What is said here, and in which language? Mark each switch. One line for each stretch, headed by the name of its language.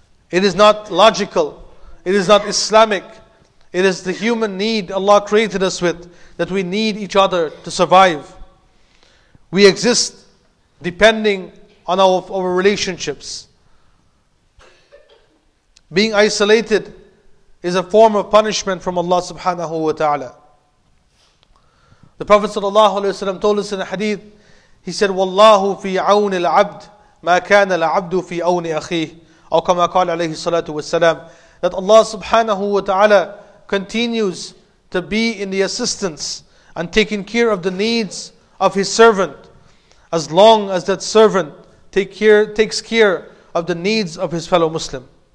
English: It is not logical. It is not Islamic. It is the human need Allah created us with, that we need each other to survive. We exist depending on our relationships. Being isolated is a form of punishment from Allah subhanahu wa ta'ala. The Prophet sallallahu alayhi wa sallam told us in a hadith, he said,
Arabic: وَاللَّهُ فِي عَوْنِ الْعَبْدِ مَا كَانَ الْعَبْدُ فِي أَوْنِ أَخِيهِ أَوْ كَمَا قَالَ عَلَيْهِ الصَّلَاةُ وَالسَّلَامُ.
English: That Allah subhanahu wa ta'ala continues to be in the assistance and taking care of the needs of his servant, as long as that servant takes care of the needs of his fellow Muslim.